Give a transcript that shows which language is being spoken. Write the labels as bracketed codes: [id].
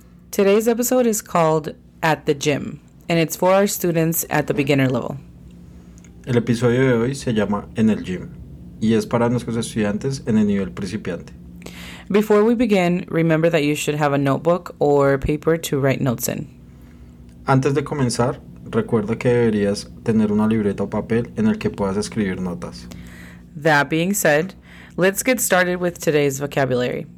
[en] Today's episode is called At the Gym, and it's for our students at the beginner level. [es] El episodio de hoy se llama En el Gym, y es para nuestros estudiantes en el nivel principiante. [en] Before we begin, remember that you should have a notebook or paper to write notes in. [es] Antes de comenzar, recuerda que deberías tener una libreta o papel en el que puedas escribir notas. [en] That being said, let's get started with today's vocabulary.